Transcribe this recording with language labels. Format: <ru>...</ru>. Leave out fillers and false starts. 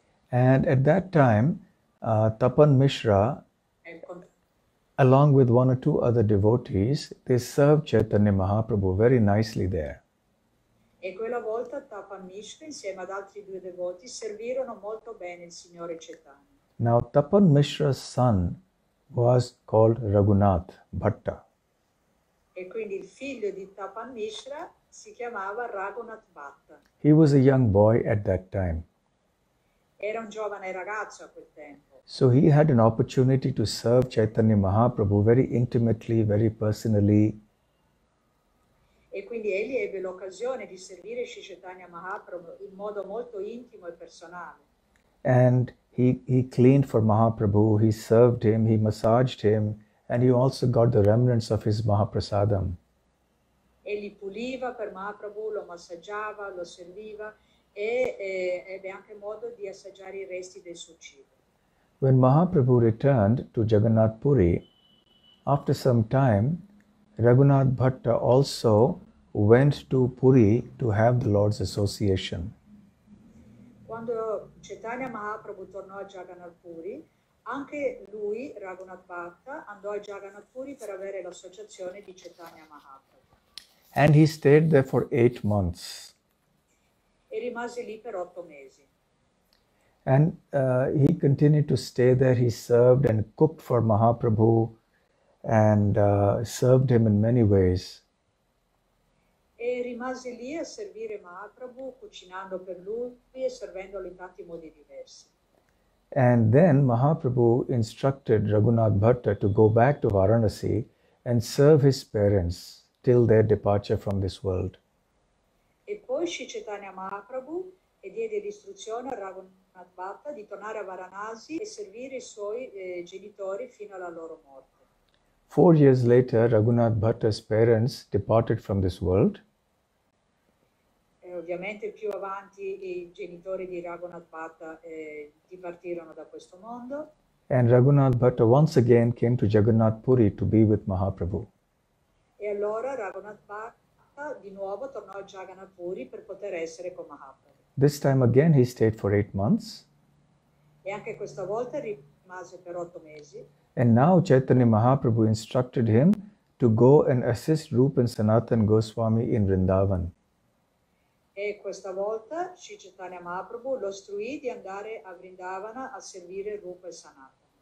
<en>And at that time, Tapan Mishra, along with one or two other devotees, they served Chaitanya Mahaprabhu very nicely there.</en> <it>E quella volta Tapan Mishra insieme ad altri due devoti servirono molto bene il Signore Chaitanya.</it> <en>Now Tapan Mishra's son was called Raghunath Bhatta.</en> <it>E quindi il figlio di Tapan Mishra si chiamava Raghunath Bhatta.</it> <en>He was a young boy at that time.</en> <it>Era un giovane ragazzo a quel tempo.</it> <en>So he had an opportunity to serve Chaitanya Mahaprabhu very intimately, very personally.</en> <it>E quindi egli ebbe l'occasione di servire Sri Chaitanya Mahaprabhu in modo molto intimo e personale.</it> <en>And he cleaned for Mahaprabhu, he served him, he massaged him, and he also got the remnants of his Mahaprasadam.</en> <it>Egli puliva per Mahaprabhu, lo massaggiava, lo serviva, e ebbe anche modo di assaggiare i resti del suo cibo.</it> <en>When Mahaprabhu returned to Jagannath Puri, after some time, Raghunath Bhatta also went to Puri to have the Lord's association.</en> <it>Quando Chaitanya Mahaprabhu tornò a Jagannath Puri, anche lui, Raghunath Bhat, andò a Jagannath Puri per avere l'associazione di Chaitanya Mahaprabhu.</it> <en>And he stayed there for 8 months.</en> <it>E rimase lì per 8 mesi.</it> <en>And he continued to stay there. He served and cooked for Mahaprabhu and served him in many ways.</en> <it>E rimase lì a servire Mahaprabhu, cucinando per lui e servendolo in tanti modi diversi.</it> <en>And then Mahaprabhu instructed Raghunath Bhat to go back to Varanasi and serve his parents till their departure from this world.</en> <it>E poi Sri Chaitanya Mahaprabhu e diede l'istruzione a Raghunath Bhat di tornare a Varanasi e servire i suoi genitori fino alla loro morte.</it> <en>4 years later, Raghunath Bhat's parents departed from this world.</en> <it>Ovviamente più avanti i genitori di Raghunath Bhat dipartirono da questo mondo.</it> <en>And Raghunath Bhat once again came to Jagannath Puri to be with Mahaprabhu.</en> <it>E allora Raghunath Bhat di nuovo tornò a Jagannath Puri per poter essere con Mahaprabhu.</it> <en>This time again he stayed for 8 months.</en> <it>E anche questa volta rimase per 8 mesi.</it> <en>And now Chaitanya Mahaprabhu instructed him to go and assist Rupa and Sanatan Goswami in Vrindavan.</en> <it>E questa volta Sri Chaitanya Mahaprabhu lo istruì di andare a Vrindavana a servire Rupa e Sanatan.</it>